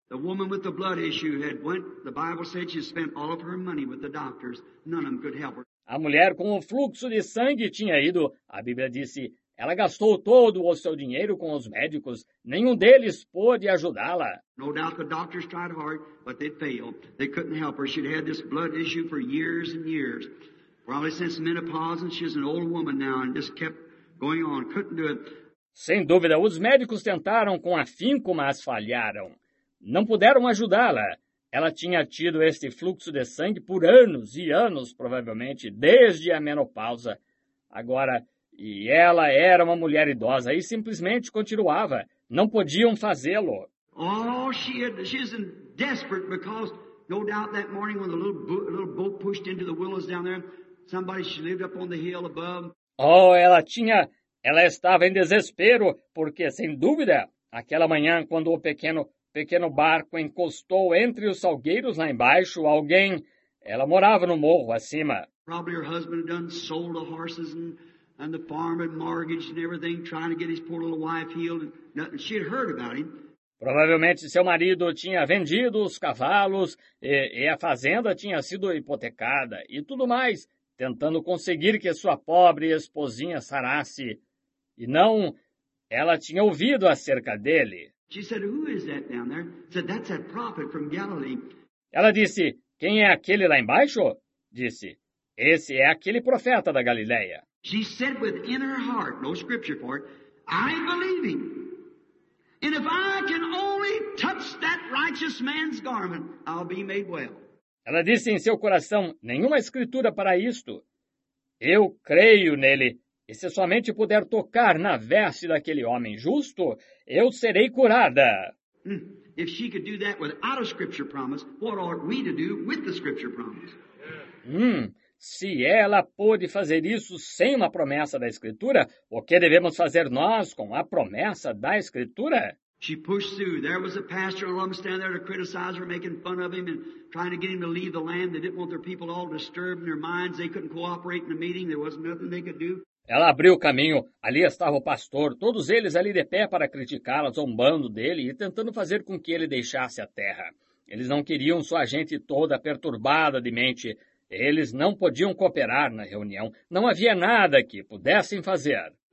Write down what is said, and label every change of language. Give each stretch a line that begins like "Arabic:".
English: The woman with the blood issue had went, the Bible said she spent all of her money with the doctors. None of them could help her.
Portuguese: A mulher com o fluxo de sangue tinha ido, a Bíblia disse, ela gastou todo o seu dinheiro com os médicos. Nenhum deles pôde ajudá-la.
English: No doubt the doctors tried hard, but they failed. They couldn't help her. She'd had this blood issue for years and years. Probably since menopause, and she's an old woman now, and just kept going on. Couldn't do it.
Portuguese: Sem dúvida, os médicos tentaram com afinco, mas falharam. Não puderam ajudá-la. Ela tinha tido este fluxo de sangue por anos e anos, provavelmente, desde a menopausa. Agora, e ela era uma mulher idosa e simplesmente continuava. Não podiam fazê-lo.
English: Oh, she's in desperate because, no doubt, that morning when the little boat pushed into the willows down there, somebody she lived up on the hill above.
Portuguese: Oh, ela estava em desespero porque, sem dúvida, aquela manhã quando o pequeno barco encostou entre os salgueiros lá embaixo, alguém, ela morava no morro acima.
English: Probably her husband had done sold the horses and the farm and mortgaged and everything, trying to get his poor little wife healed. Nothing. She had heard about him.
Portuguese: Provavelmente seu marido tinha vendido os cavalos e a fazenda tinha sido hipotecada e tudo mais, tentando conseguir que sua pobre esposinha sarasse. E não, ela tinha ouvido acerca dele.
English: She said, who is that down there? Said, that's that prophet from Galilee.
Portuguese: Ela disse, quem é aquele lá embaixo? Disse, esse é aquele profeta da Galileia.
English: She said within her heart, no scripture for it, I believe him. And if I can only touch that righteous man's garment, I'll be made well.
Portuguese: Ela disse em seu coração, nenhuma escritura para isto. Eu creio nele. E se somente puder tocar na veste daquele homem justo, eu serei curada.
English: If she could do that without a scripture promise, what ought we to do with the scripture promise?
Portuguese: Se ela pôde fazer isso sem uma promessa da Escritura, o que devemos fazer nós com a promessa da Escritura?
English: She pushed through. There was a pastor and a woman standing there to criticize her, making fun of him and trying to get him to leave the land. They didn't want their people all disturbed in their minds. They couldn't cooperate in the meeting. There wasn't nothing they could do.
Portuguese: Ela abriu o caminho. Ali estava o pastor, todos eles ali de pé para criticá-la, zombando dele e tentando fazer com que ele deixasse a terra. Eles não queriam sua gente toda perturbada de mente. Eles não podiam cooperar na reunião. Não havia nada que pudessem fazer.